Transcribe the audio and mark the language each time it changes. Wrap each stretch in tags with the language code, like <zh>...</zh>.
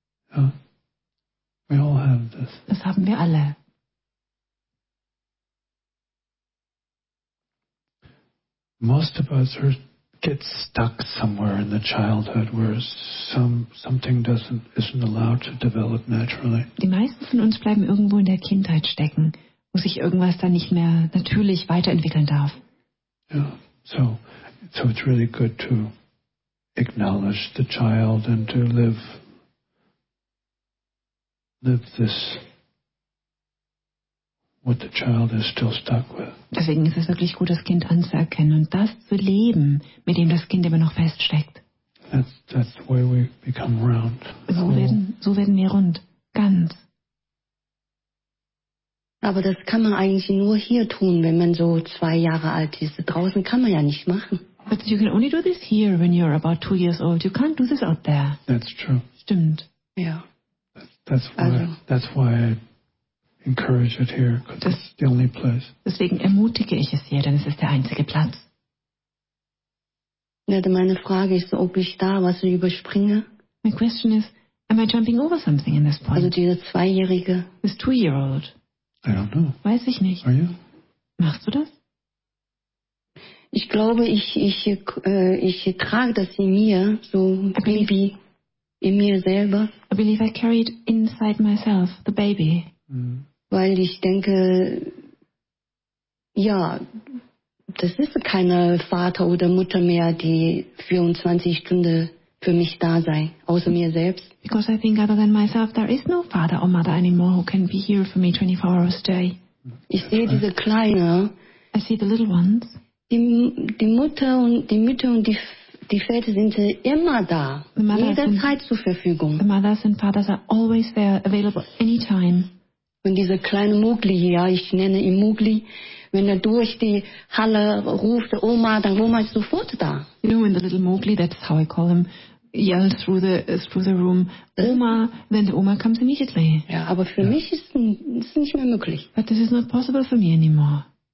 <en>Yeah. We all have this.</en> <de>Das haben wir alle.</de> <en>Most of us are get stuck somewhere in the childhood where something isn't allowed to develop naturally.</en> <de>Die meisten von uns bleiben irgendwo in der Kindheit stecken, wo sich irgendwas dann nicht mehr natürlich weiterentwickeln darf.</de> <en>Yeah. So it's really good to acknowledge the child and to live this. What the child is still stuck with.</en> <de>Deswegen ist es wirklich gut, das Kind anzuerkennen und das zu leben, mit dem das Kind immer noch feststeckt.</de> <en>That's the way we become round.</en> <de>So werden wir rund, ganz. Aber das kann man eigentlich nur hier tun, wenn man so 2 Jahre alt ist. Draußen kann man ja nicht machen.</de> <en>But you can only do this here when you're about 2 years old. You can't do this out there. That's true.</en> <de>Stimmt. Ja. Yeah.</de> <en>That's why. Encourage it here, because it's the only place.</en> <de>Deswegen ermutige ich es hier, denn es ist der einzige Platz. Ja, meine Frage ist, ob ich da was überspringe.</de> <en>My question is, am I jumping over something in this point?</en> <de>Also diese Zweijährige.</de> <en>This 2-year-old. I don't know.</en> <de>Weiß ich nicht.</de> <en>Are you?</en> <de>Machst du das? Ich glaube, ich trage das in mir, so baby, in mir selber.</de> <en>I believe I carried inside myself, the baby.</en> <de>Weil ich denke, ja, das ist keine Vater oder Mutter mehr, die 24 Stunden für mich da sei, außer mir selbst.</de> <en>Because I think other than myself, there is no father or mother anymore who can be here for me 24 hours a day.</en> <de>Ich sehe diese Kleine.</de> <en>I see the little ones.</en> <de>Die Mütter und die Väter sind immer da, jederzeit zur Verfügung.</de> <en>The mothers and fathers are always there, available anytime.</en> <de>Und dieser kleine Mugli, ja, ich nenne ihn Mugli, wenn er durch die Halle ruft, Oma, dann Oma ist sofort da.</de> <en>You know, when the little Mugli, that's how I call him, yells through the room, Oma, then the Oma comes immediately.</en> <de>Ja, aber für mich ist es nicht mehr möglich.</de> <en>But this is not possible for me anymore.</en>